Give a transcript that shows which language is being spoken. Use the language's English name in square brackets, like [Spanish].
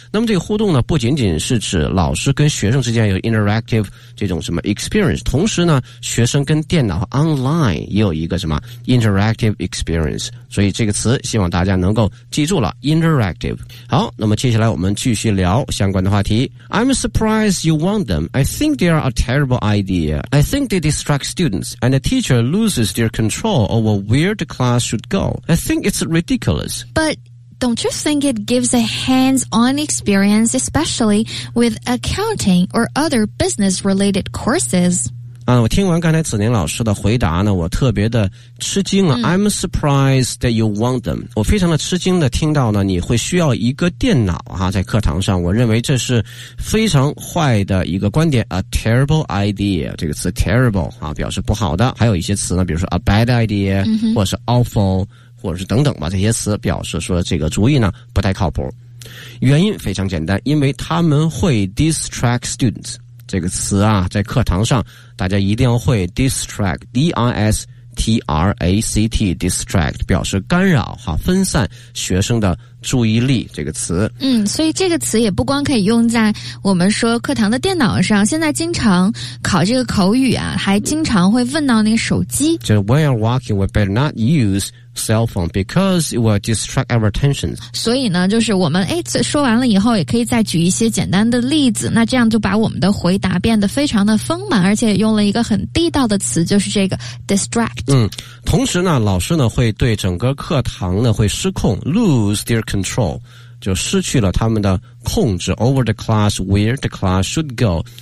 [Chinese] 那么这个互动呢不仅仅是指老师跟学生之间有 interactive 这种什么 experience, 同时呢学生跟电脑 online 也有一个什么 interactive experience, 所以这个词希望大家能够记住了 interactive。好，那么接下来我们继续聊相关的话题。 [English] I'm surprised you want them. I think they are a terrible idea. I think they distract students and the teacher loses their control over where the class should go. I think it's ridiculous. ButDon't you think it gives a hands-on experience, especially with accounting or other business-related courses? [Chinese] 我听完刚才子宁老师的回答呢，我特别的吃惊了。 [English] I'm surprised that you want them. [Chinese] 我非常的吃惊的听到呢，你会需要一个电脑哈，在课堂上，我认为这是非常坏的一个观点。 [English] A terrible idea, [Chinese] 这个词 terrible 啊，表示不好的。还有一些词呢，比如说 [English] a bad idea, [Chinese] 或者是 awful,或者是等等吧，这些词表示说这个主意呢不太靠谱。原因非常简单，因为他们会 distract students, 这个词啊在课堂上大家一定要会 distract, D-I-S-T-R-A-C-T, distract, 表示干扰分散学生的注意力这个词。嗯，所以这个词也不光可以用在我们说课堂的电脑上，现在经常考这个口语啊，还经常会问到那个手机。 [English] 就 when you're walking, we better not use cell phone because it will distract our attention. [Chinese] 所以呢，就是我们哎说完了以后，也可以再举一些简单的例子，那这样就把我们的回答变得非常的丰满，而且用了一个很地道的词，就是这个 distract。嗯，同时呢，老师呢会对整个课堂呢会失控 ， [English] lose their control， [Chinese] 就失去了他们的控制 [English] over the class where the class should go。